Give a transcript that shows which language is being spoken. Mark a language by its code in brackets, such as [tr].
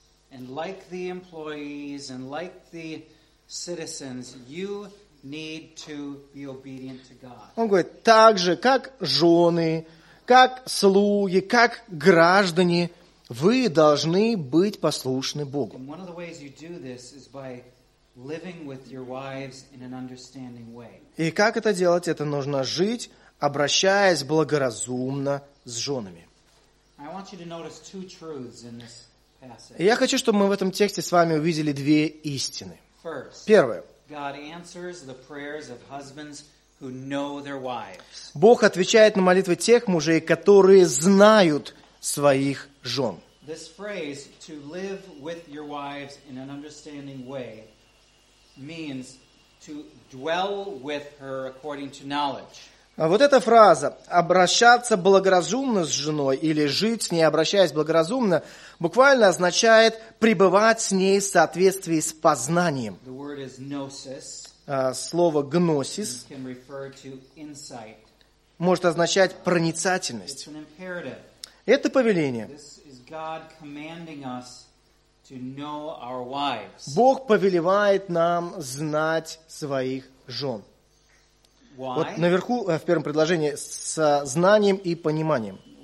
[en] Like the employees and like the citizens, you need to be obedient to God. [ru] Он говорит, так же, как жены, как слуги, как граждане, вы должны быть послушны Богу. [en] And one of the ways you do this is by living with your wives in an understanding way. [ru] И как это делать? Это нужно жить, обращаясь благоразумно с женами. [en] I want you to notice two truths in this passage. [ru] Я хочу, чтобы мы в этом тексте с вами увидели две истины. [en] First, [ru] первое. [en] God answers the prayers of husbands who know their wives. [ru] Бог отвечает на молитвы тех мужей, которые знают своих жен. [en] This phrase, to live with your wives in an understanding way, means to dwell with her according to knowledge. [ru] Вот эта фраза «обращаться благоразумно с женой» или «жить с ней, обращаясь благоразумно» буквально означает «пребывать с ней в соответствии с познанием». [en] The word is gnosis. [ru] Слово «гносис» [en] can refer to insight. [ru] Может означать «проницательность». [en] It's an imperative. [ru] Это повеление. [en] This is God commanding us to know our wives. [ru] Бог повелевает нам знать своих жен. Вот наверху, в первом предложении, с знанием и пониманием.